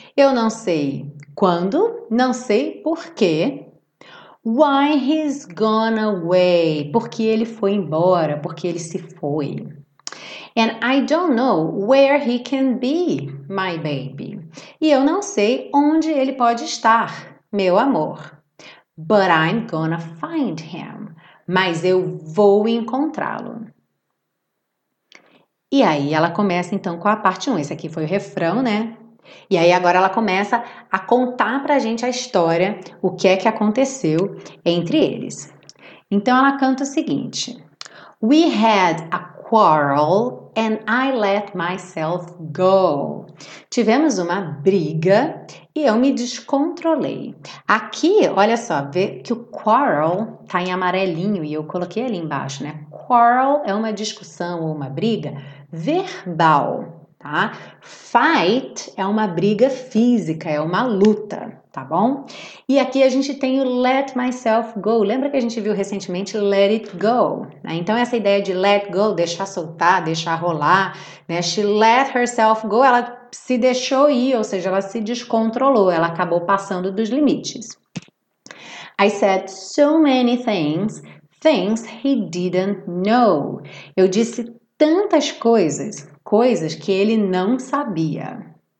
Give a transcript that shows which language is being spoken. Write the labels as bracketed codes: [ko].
[pt] Eu não sei quando, não sei por quê. Why he's gone away. Porque ele foi embora, porque ele se foi. [en] And I don't know where he can be, my baby. [pt] E eu não sei onde ele pode estar, meu amor. [en] But I'm gonna find him. Mas eu vou encontrá-lo. [pt] E aí ela começa então com a parte 1. Esse aqui foi o refrão, né? E aí agora ela começa a contar pra gente a história, o que é que aconteceu entre eles. Então ela canta o seguinte. [en] We had a quarrel and I let myself go. [pt] Tivemos uma briga e eu me descontrolei. Aqui, olha só, vê que o quarrel tá em amarelinho e eu coloquei ali embaixo, né? Quarrel é uma discussão ou uma briga verbal, tá? Fight é uma briga física, é uma luta, tá bom? E aqui a gente tem o let myself go. Lembra que a gente viu recentemente let it go, né? Então essa ideia de let go, deixar soltar, deixar rolar, né? She let herself go, ela se deixou ir, ou seja, ela se descontrolou, ela acabou passando dos limites. [en] I said so many things he didn't know. [pt] Eu disse tantas coisas, coisas que ele não sabia.